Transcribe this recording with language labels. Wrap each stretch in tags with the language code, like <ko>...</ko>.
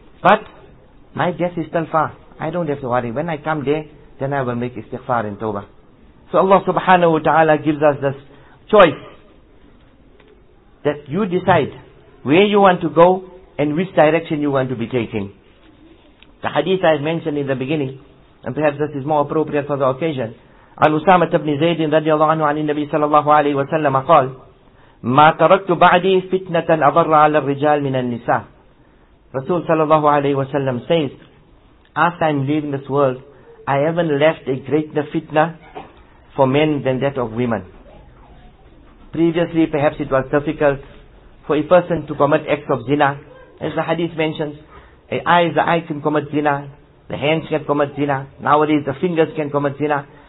<en>But my death is still far. I don't have to worry. When I come there, then I will make istighfar and tawbah. So Allah Subhanahu wa Ta'ala gives us this choice that you decide where you want to go and which direction you want to be taking. The hadith I mentioned in the beginning, and perhaps this is more appropriate for the occasion,</en> <ar>عن أسامة بن زيد رضي الله عنه عن النبي صلى الله عليه وسلم قال ما تركت بعدي فتنة أضر على الرجال من النساء.</ar> <en>رسول صلى الله عليه وسلم says, after I'm leaving this world, I haven't left a greater fitna for men than that of women. Previously, perhaps it was difficult for a person to commit acts of zina. As the hadith mentions, the eye can commit zina, the hands can commit zina, nowadays the fingers can commit zina.</en>